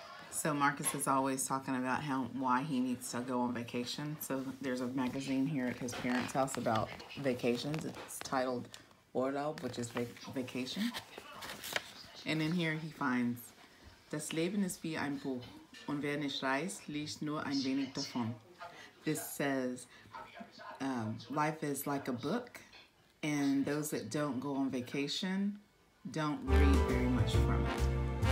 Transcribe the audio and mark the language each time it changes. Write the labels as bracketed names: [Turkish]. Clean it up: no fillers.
[English] So Marcus is always talking about why he needs to go on vacation. So there's a magazine here at his parents' house about vacations. It's titled Urlaub, which is vacation. And in here he finds, [German] Das Leben ist wie ein Buch, und wer nicht reist, liest nur ein wenig davon. [English] This says, life is like a book, and those that don't go on vacation don't read very much from it.